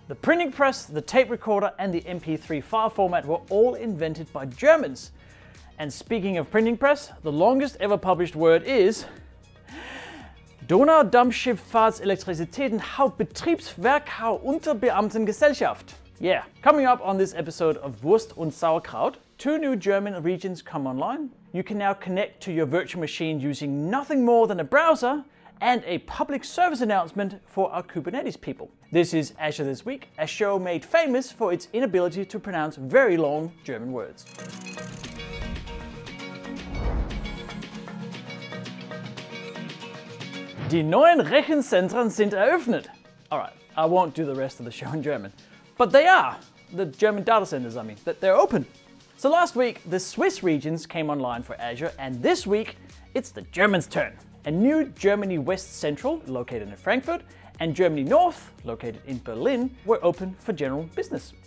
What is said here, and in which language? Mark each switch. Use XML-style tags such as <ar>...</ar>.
<en>The printing press, the tape recorder, and the MP3 file format were all invented by Germans. And speaking of printing press, the longest ever published word is Donaudampfschifffahrtselektrizität und Hauptbetriebswerkhau unter Beamtengesellschaft. Yeah, coming up on this episode of Wurst und Sauerkraut, two new German regions come online. You can now connect to your virtual machine using nothing more than a browser, and a public service announcement for our Kubernetes people. This is Azure This Week, a show made famous for its inability to pronounce very long German words.</en> <de>Die neuen Rechenzentren sind eröffnet.</de> <en>All right, I won't do the rest of the show in German. But they are, the German data centers, I mean, that they're open. So last week, the Swiss regions came online for Azure, and this week, it's the Germans' turn. A new Germany West Central, located in Frankfurt, and Germany North, located in Berlin, were open for general business.</en>